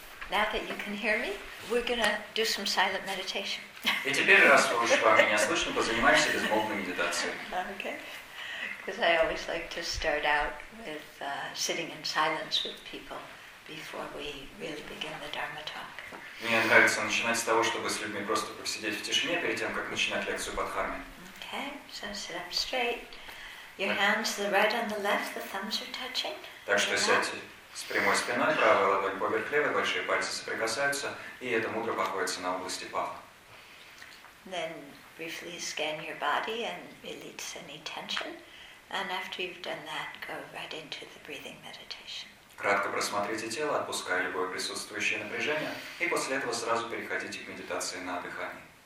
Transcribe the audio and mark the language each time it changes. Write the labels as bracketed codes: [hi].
[en] Now that you can hear me, we're going to do some silent meditation. [ru] И теперь, раз вы уже вами меня слышно, позанимаемся безмолвной медитацией. [en] Okay. Because I always like to start out with sitting in silence with people before we really begin the Dharma talk. [ru] Мне нравится начинать с того, чтобы с людьми просто посидеть в тишине перед тем, как начинать лекцию по Дхарме. [en] Okay. So sit up straight. Your hands, the right and the left, the thumbs are touching. [ru] Так что сядьте. С прямой спиной, правая ладонь поверх левой, большие пальцы соприкасаются, и эта мудра находится на области паха. [en] Then briefly scan your body and release any tension. And after you've done that, go right into the breathing meditation. [ru] Кратко просмотрите тело, отпуская любое присутствующее напряжение, и после этого сразу переходите к медитации на дыхание.